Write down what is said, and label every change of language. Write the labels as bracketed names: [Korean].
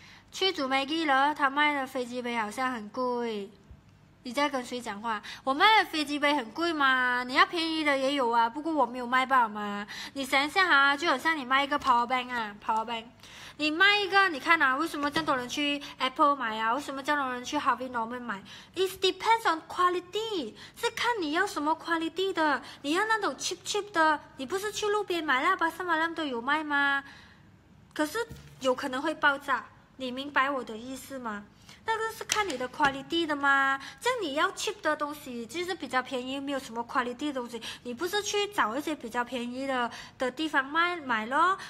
[Chinese] 去煮麦记了，他卖的飞机杯好像很贵。你在跟谁讲话？我卖的飞机杯很贵吗？你要便宜的也有啊，不过我没有卖爆嘛。你想一下啊，就很像你卖一个 power bank 啊， power bank， 你卖一个，你看啊，为什么这么多人去 Apple 买啊？为什么这么多人去 Harvey Norman 买？ [English] It depends on quality， [Chinese] 是看你要什么 quality 的。你要那种 cheap cheap 的，你不是去路边买了，巴沙马兰都有卖吗？可是有可能会爆炸，你明白我的意思吗？那个是看你的 quality 的吗？这样你要 cheap 的东西就是比较便宜，没有什么 quality 的东西，你不是去找一些比较便宜 的地方买咯？